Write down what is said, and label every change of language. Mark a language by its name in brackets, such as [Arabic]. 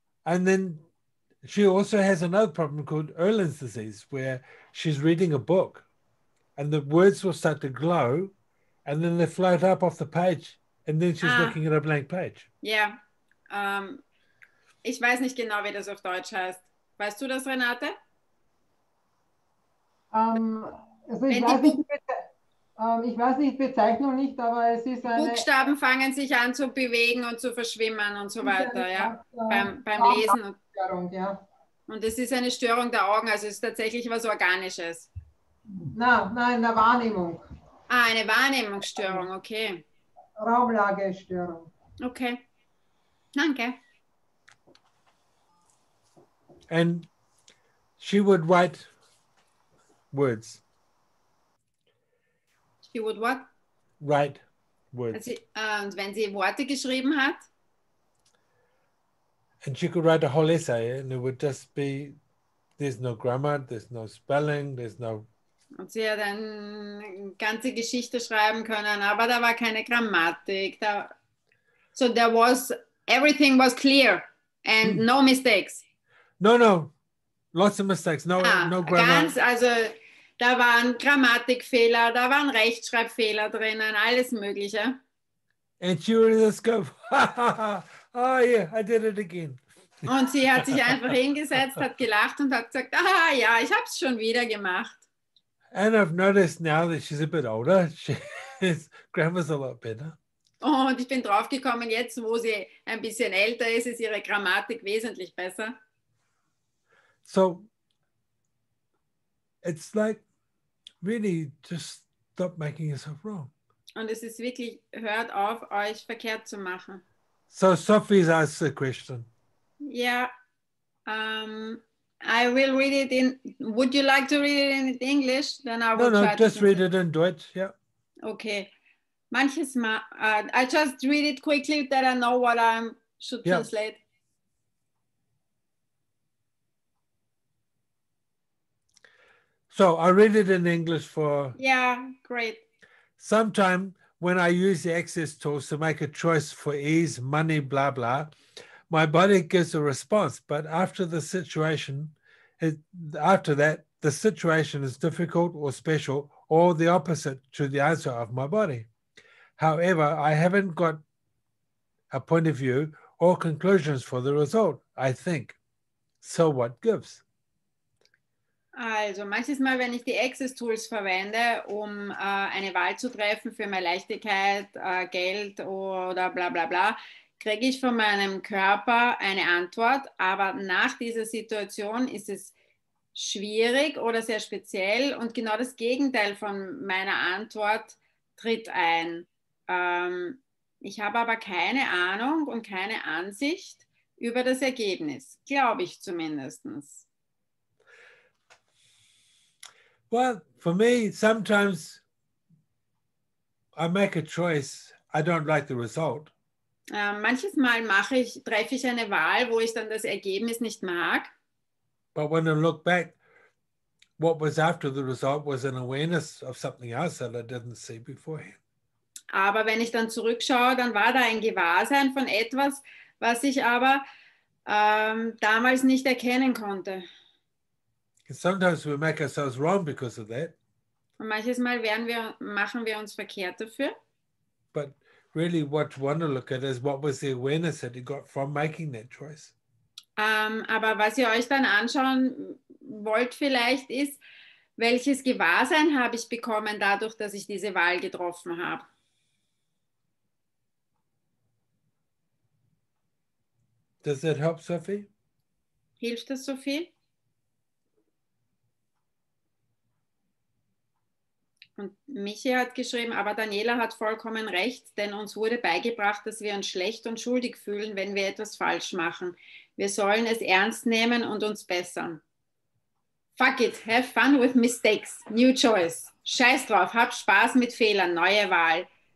[English] And then she also has another problem called Erlen's disease, where she's reading a book and the words will start to glow and then they float up off the page and then she's looking at a blank page. Yeah. [German] Ich weiß nicht genau, wie das auf Deutsch heißt. Weißt du das, Renate? Also ich weiß die Bezeichnung nicht, aber es ist eine... Buchstaben fangen sich an zu bewegen und zu verschwimmen und so weiter, ja? Beim Lesen und Störung, ja. Und es ist eine Störung der Augen, also es ist tatsächlich was Organisches. Nein, eine Wahrnehmung. Ah, eine Wahrnehmungsstörung, okay. Raumlagestörung. Okay, danke. [English] And she would write words. She would what? Write words. [German] Und wenn sie Worte geschrieben hat? [English] And she could write a whole essay and it would just be, there's no grammar, there's no spelling, there's no... [German] Und sie hat eine ganze Geschichte schreiben können, aber da war keine Grammatik. [English] So there was, everything was clear and no mistakes. No, lots of mistakes, no grammar. [German] Ganz, also da waren Grammatikfehler, da waren Rechtschreibfehler drinnen, alles Mögliche. [English] And she would just go, oh yeah, I did it again. [German] Und sie hat sich einfach hingesetzt, hat gelacht und hat gesagt, ah ja, ich habe es schon wieder gemacht. [English] And I've noticed now that she's a bit older, her grammar's a lot better. [German] Und ich bin draufgekommen, jetzt, wo sie ein bisschen älter ist, ist ihre Grammatik wesentlich besser. [English] So, it's like, really, just stop making yourself wrong. [German] Und es ist wirklich, hört auf, euch verkehrt zu machen. [English] So, Sophie's asked the question. Yeah, I will read it in, would you like to read it in English? Then I will No, just read it in Deutsch, yeah. Okay. Manches Mal, I just read it quickly that I know what I should translate. So I read it in English for... Yeah, great. Sometime when I use the access tools to make a choice for ease, money, blah, blah, my body gives a response. But after the situation, the situation is difficult or special or the opposite to the answer of my body. However, I haven't got a point of view or conclusions for the result, I think. So what gives? [German] Also manches Mal, wenn ich die Access-Tools verwende, um eine Wahl zu treffen für mehr Leichtigkeit, Geld oder bla bla bla, kriege ich von meinem Körper eine Antwort. Aber nach dieser Situation ist es schwierig oder sehr speziell und genau das Gegenteil von meiner Antwort tritt ein. Ich habe aber keine Ahnung und keine Ansicht über das Ergebnis, glaube ich zumindest. [English] Well, for me, sometimes I make a choice, I don't like the result. [German] Manches Mal treffe ich eine Wahl, wo ich dann das Ergebnis nicht mag. [English] But when I look back, what was after the result was an awareness of something else that I didn't see beforehand. [German] Aber wenn ich dann zurückschaue, dann war da ein Gewahrsein von etwas, was ich aber damals nicht erkennen konnte. [English] Sometimes we make ourselves wrong because of that. [German] Und manches Mal machen wir uns verkehrt dafür. [English] But really what you want to look at is what was the awareness that you got from making that choice. [German] Aber was ihr euch dann anschauen wollt vielleicht ist, welches Gewahrsein habe ich bekommen dadurch, dass ich diese Wahl getroffen habe. [English] Does that help, Sophie? [German] Hilft das, Sophie? Und Michi hat geschrieben, aber Daniela hat vollkommen recht, denn uns wurde beigebracht, dass wir uns schlecht und schuldig fühlen, wenn wir etwas falsch machen. Wir sollen es ernst nehmen und uns bessern. [English] Fuck it, have fun with mistakes, new choice. [German] Scheiß drauf, hab Spaß mit Fehlern, neue Wahl.